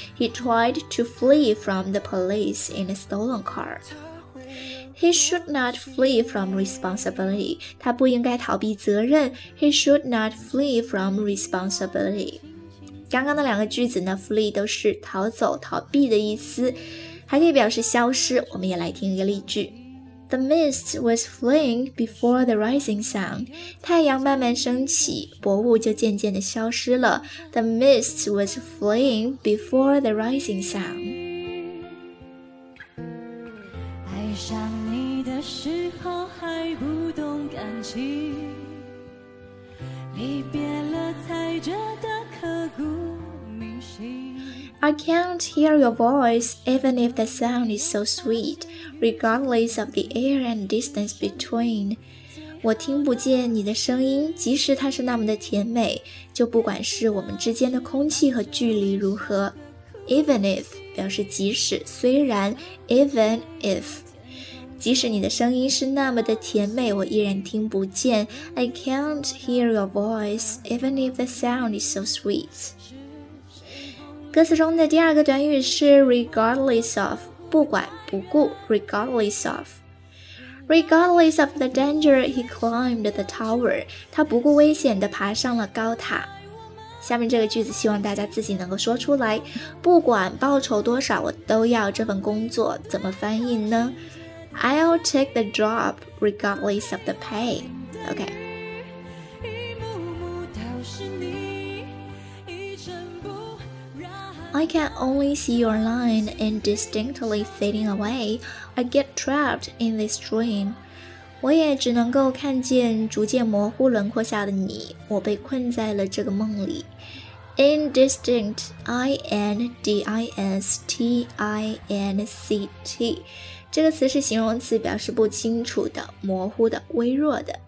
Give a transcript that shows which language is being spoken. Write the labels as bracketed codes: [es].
[en] He tried to flee from the police in a stolen car. He should not flee from responsibility. [zh] 他不应该逃避责任。 [en] He should not flee from responsibility. [zh] 刚刚的两个句子呢 ,flee 都是逃走、逃避的意思。还可以表示消失。我们也来听一个例句。 [en] The mist was fleeing before the rising sun. [zh] 太阳慢慢升起，薄雾就渐渐地消失了。 [en] The mist was fleeing before the rising sun. [zh] 想你的时候还不懂感情，离别了才觉得刻骨铭心。 [en] I can't hear your voice even if the sound is so sweet, regardless of the air and distance between. [zh] 我听不见你的声音，即使它是那么的甜美，就不管是我们之间的空气和距离如何。 Even if 表示即使、虽然。Even if即使你的声音是那么的甜美，我依然听不见。 [en] I can't hear your voice, even if the sound is so sweet. [zh] 歌词中的第二个短语是 regardless of, 不管不顾 regardless of. [en] Regardless of the danger, he climbed the tower. [zh] 他不顾危险地爬上了高塔。下面这个句子希望大家自己能够说出来。不管报酬多少，我都要这份工作。怎么翻译呢？ [en] I'll take the job regardless of the pay. Okay. [zh] 一幕幕都是你，一尘不染。 [en] I can only see your line indistinctly fading away. I get trapped in this dream. [zh] 我也只能够看见逐渐模糊轮廓下的你，我被困在了这个梦里。 [en] Indistinct, I-N-D-I-S-T-I-N-C-T. [zh] 这个词是形容词，表示不清楚的、模糊的、微弱的。